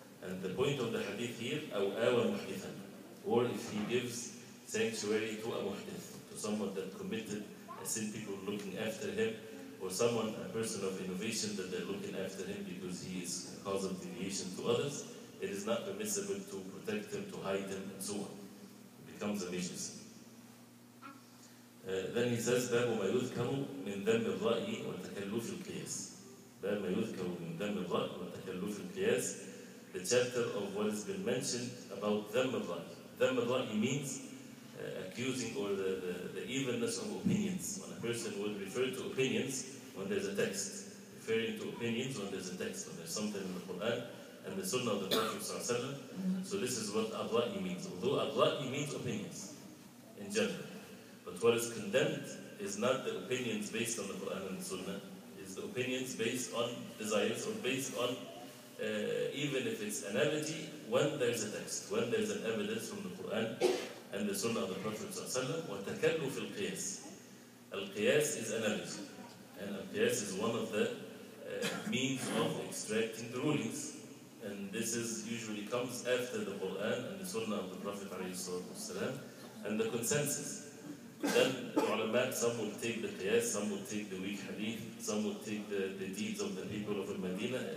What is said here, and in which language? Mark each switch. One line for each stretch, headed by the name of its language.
English: And the point of the hadith here,
Arabic: أو آوى محدثا,
English: or if he gives sanctuary to a محدث, to someone that committed a sin, people looking after him, or someone, a person of innovation, that they're looking after him because he is a cause of deviation to others, it is not permissible to protect him, to hide him, and so on. It becomes a major sin. Then he says,
Arabic: باب ما يذكر من ذنب الرأي والتكلف القياس. باب ما يذكر من ذنب الرأي والتكلف القياس.
English: The chapter of what has been mentioned about dhamm al-ra'y. Dhamm al-ra'y means accusing or the evenness of opinions. When a person would refer to opinions when there's a text. Referring to opinions when there's a text. When there's something in the Quran and the Sunnah of the Prophet mm-hmm. So this is what al-ra'y means. Although al-ra'y means opinions in general. But what is condemned is not the opinions based on the Quran and the Sunnah. It's the opinions based on desires or based on even if it's analogy, when there's a text, when there's an evidence from the Quran
Arabic: أن سنة الرسول صلى الله عليه وسلم وتكلف القياس.
English: القياس is analysis and القياس is one of the means of extracting the rulings, and this is usually comes after the Quran and the Sunnah of the Prophet
Arabic: عليه الصلاة والسلام
English: and the consensus. Then علماء, some will take the qiyas, some will take the weak hadith, some will take the deeds of the people of Medina.